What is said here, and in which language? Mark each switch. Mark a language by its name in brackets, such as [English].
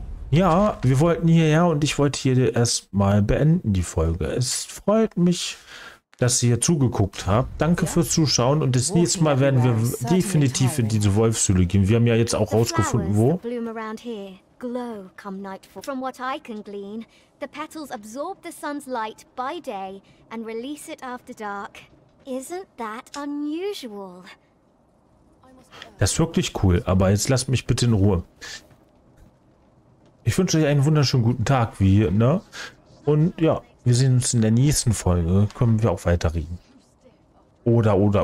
[German] Ja, wir wollten hierher und ich wollte hier erstmal beenden die Folge. Es freut mich, dass ihr hier zugeguckt habt. Danke fürs Zuschauen und das nächste Mal werden wir definitiv in diese Wolfshöhle gehen. Wir haben ja jetzt auch rausgefunden, wo. [English] Glow come nightfall. From what I can glean, the petals absorb the sun's light by day and release it after dark. Isn't that unusual? [German] Das ist wirklich cool, aber jetzt lasst mich bitte in Ruhe. Ich wünsche euch einen wunderschönen guten Tag, wie, ne? Und ja, wir sehen uns in der nächsten Folge. Können wir auch weiterreden. Oder.